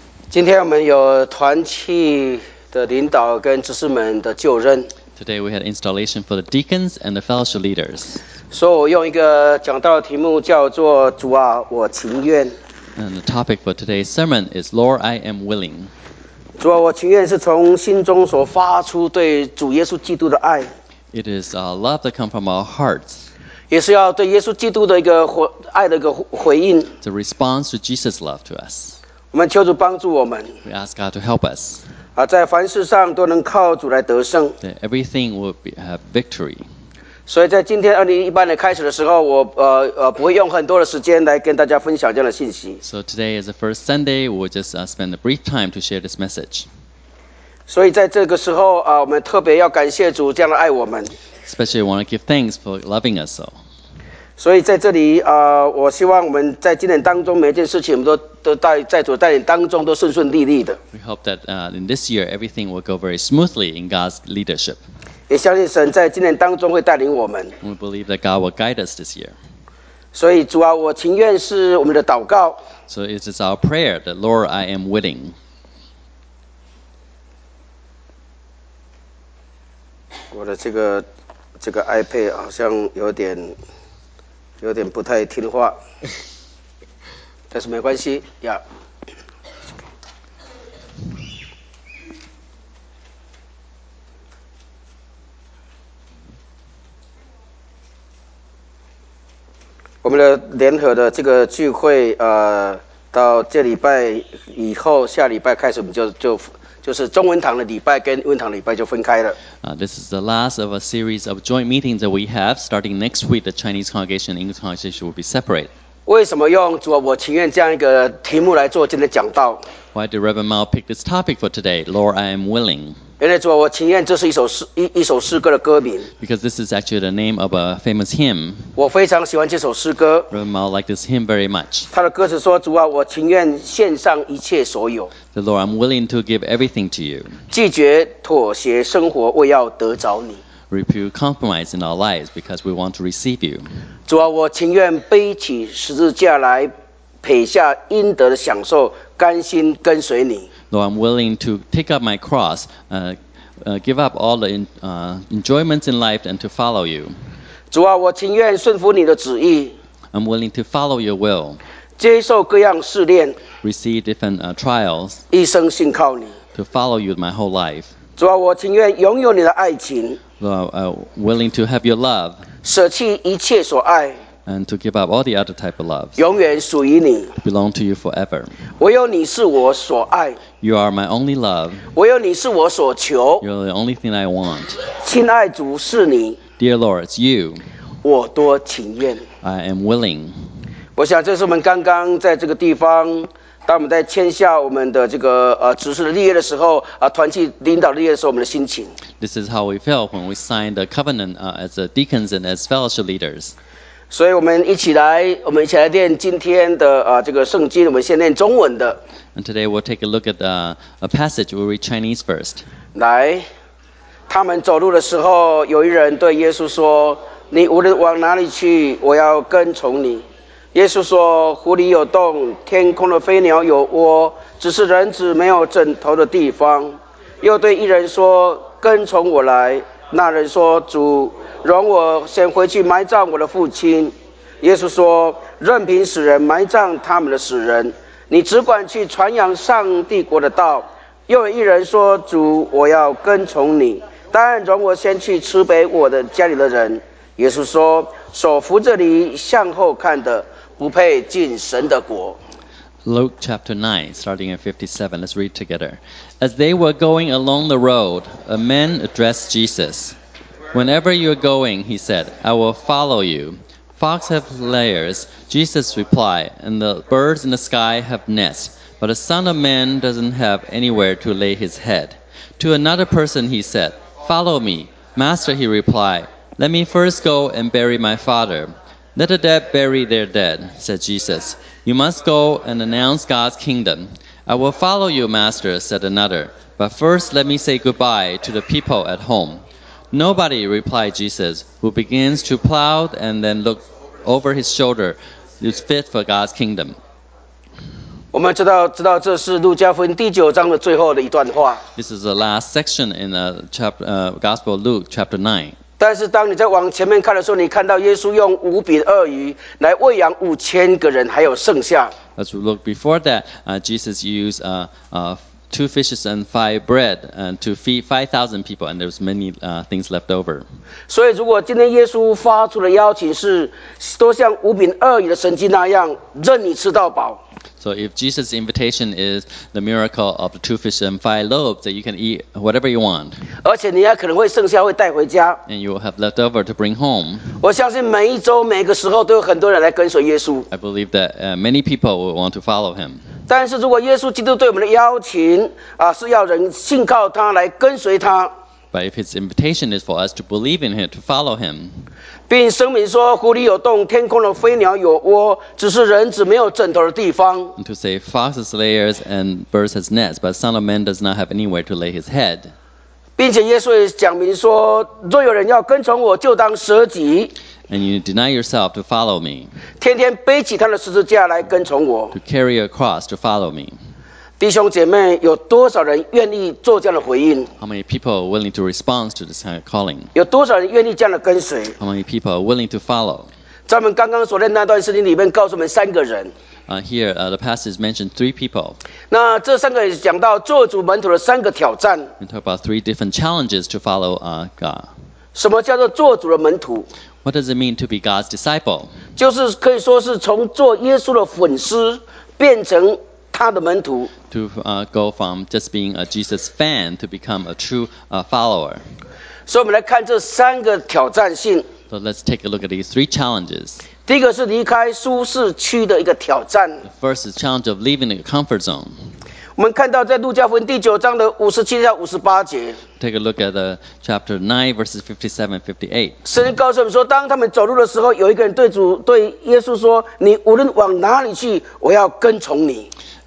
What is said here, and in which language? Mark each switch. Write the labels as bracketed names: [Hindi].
[Chinese] 今天我们有团契的领导跟执事们的就任。 [English] Today we had installation for the deacons and the fellowship leaders. [Chinese] 所以我用一个讲道题目叫做“主啊，我情愿”。 [English] And the topic for today's sermon is "Lord, I am willing." [Chinese] 主啊，我情愿是从心中所发出对主耶稣基督的爱。 [English] It is a love that comes from our hearts. [Chinese] 也是要对耶稣基督的一个爱的一个回应。 [English] The response to Jesus' love to us. [Chinese] 我们求主帮助我们。 [English] We ask God to help us. [Chinese] 在凡事上都能靠主来得胜。 [English] That everything will have victory. [Chinese] 所以在今天2018年开始的时候，我不会用很多的时间来跟大家分享这样的信息。 [English] So today is the first Sunday. We'll just spend a brief time to share this message. [Chinese] 所以在这个时候我们特别要感谢主这样的爱我们。 [English] Especially, want to give thanks for loving us so. [Chinese] 所以在这里我希望我们在今年当中每件事情，我们都在主带领当中都顺顺利利的。 [English] We hope that in this year everything will go very smoothly in God's leadership. [Chinese] 也相信神在今年当中会带领我们。 [English] We believe that God will guide us this year. [Chinese] 所以主啊，我情愿是我们的祷告。 [English] So it is our prayer that Lord, I am willing. [Chinese] 我的这个 iPad 好像有点不太听话，但是没关系呀。我们的联合的这个聚会，到这礼拜以后，下礼拜开始我们就是中文堂的礼拜跟英文堂的礼拜就分开了。 [English] This is the last of a series of joint meetings that we have. Starting next week, the Chinese congregation and English congregation will be separate. [Chinese] 为什么用主啊？我情愿这样一个题目来做今天讲道。 [English] Why did Reverend Mao pick this topic for today? Lord, I am willing. [Chinese] 原来主啊，我情愿这是一首诗歌的歌名。 [English] Because this is actually the name of a famous hymn. [Chinese] 我非常喜欢这首诗歌。 [English] Reverend Mao liked this hymn very much. [Chinese] 他的歌词说：主啊，我情愿献上一切所有。 [English] The Lord, I'm willing to give everything to you. [Chinese] 拒绝妥协生活，为要得着你。 [English] Repute compromise in our lives because we want to receive you. [Chinese] 主啊，我情愿背起十字架来赔下应得的享受，甘心跟随你。 [English] Lord, I'm willing to take up my cross, give up all the enjoyments in life and to follow you. [Chinese] 主啊，我情愿顺服你的旨意。 [English] I'm willing to follow your will. [Chinese] 接受各样试炼。 [English] Receive different trials. [Chinese] 一生信靠你。 [English] To follow you my whole life. [Chinese] 主啊，我情愿拥有你的爱情。 [English] Lord, willing to have your love, [Chinese] 舍弃一切所爱, [English] and to give up all the other type of loves, [Chinese] 永远属于你, [English] belong to you forever. [Chinese] 唯有你是我所爱, [English] you are my only love. [Chinese] 唯有你是我所求, [English] you're the only thing I want. [Chinese] 亲爱主是你, [English] dear Lord, it's you. [Chinese] 我多情愿, [English] I am willing. [Chinese] 我想这是我们刚刚在这个地方当我们在签下我们的这个执事的立约的时候，团契领导的立约的时候，我们的心情。 [English] This is how we felt when we signed the covenant as the deacons and as fellowship leaders. [Chinese] 所以我们一起来念今天的这个圣经，我们先念中文的。 [English] And today we'll take a look at a passage. We'll read Chinese first. [Chinese] 来，他们走路的时候，有一人对耶稣说：“你无论往哪里去，我要跟从你。” 耶稣说：“湖里有洞，天空的飞鸟有窝，只是人子没有枕头的地方。” 又对一人说：“跟从我来。” 那人说：“主，容我先回去埋葬我的父亲。” 耶稣说：“任凭死人埋葬他们的死人，你只管去传扬上帝国的道。” 又有一人说：“主，我要跟从你，但容我先去慈悲我的家里的人。” 耶稣说：“手扶着犁向后看的，不配进神的国。” [English] Luke chapter 9, starting at 57. Let's read together. As they were going along the road, a man addressed Jesus. "Whenever you are going," he said, "I will follow you." "Foxes have lairs," Jesus replied, "and the birds in the sky have nests, but the Son of Man doesn't have anywhere to lay his head." To another person he said, "Follow me." "Master," he replied, "Let me first go and bury my father." "Let the dead bury their dead," said Jesus. "You must go and announce God's kingdom." "I will follow you, master," said another. "But first let me say goodbye to the people at home." "Nobody," replied Jesus, "who begins to plow and then look over his shoulder is fit for God's kingdom." [Chinese] 我们知道这是路加福音第九章的最后的一段话。 [English] This is the last section in the Gospel of Luke chapter 9. [Chinese] 但是当你在往前面看的时候，你看到耶稣用五饼二鱼来喂养五千个人，还有剩下。 [English] As we look before that, Jesus used two fishes and five bread and to feed 5,000 people, and there was many things left over. [Chinese] 所以，如果今天耶稣发出的邀请是都像五饼二鱼的神迹那样，任你吃到饱。 [English] So if Jesus' invitation is the miracle of the two fish and five loaves that you can eat whatever you want, [Chinese] 而且你也可能会剩下会带回家, [English] and you will have left over to bring home, [Chinese] 我相信每一周每个时候都有很多人来跟随耶稣, [English] I believe that many people will want to follow him. [Chinese] 但是如果耶稣基督对我们的邀请是要人信靠他来跟随他, [English] but if his invitation is for us to believe in him, to follow him, [Chinese] 并声明说湖里有洞，天空的飞鸟有窝，只是人子没有枕头的地方。 [English] And to say foxes lairs and birds has nests, but Son of Man does not have anywhere to lay his head. [Chinese] 并且耶稣也讲明说，若有人要跟从我，就当舍己。 [English] And you deny yourself to follow me. [Chinese] 天天背起他的十字架来跟从我。 [English] To carry a cross to follow me. [Chinese] 弟兄姐妹，有多少人愿意做这样的回应？ [English] How many people are willing to respond to this kind of calling? [Chinese] 有多少人愿意这样的跟随？ [English] How many people are willing to follow? [Chinese] 在我们刚刚所念那段圣经里面，告诉我们三个人。 [English] Here, the passage mentioned three people. [Chinese] 那这三个人讲到做主门徒的三个挑战。 [English] We talk about three different challenges to follow God. [Chinese] 什么叫做做主的门徒？ [English] What does it mean to be God's disciple? [Chinese] 就是可以说是从做耶稣的粉丝变成他的门徒。 [English] To go from just being a Jesus fan to become a true follower. [Chinese] So, 我们来看这三个挑战性。 [English] So let's take a look at these three challenges. [Chinese] 第一个是离开舒适区的一个挑战。 [English] The first is challenge of leaving the comfort zone. [Chinese] 我们看到在路加福音第九章的五十七到五十八节。 [English] Take a look at the chapter 9 verses 57-58. [Chinese] 圣经告诉我们说，当他们走路的时候，有一个人对主对耶稣说：“你无论往哪里去，我要跟从你。”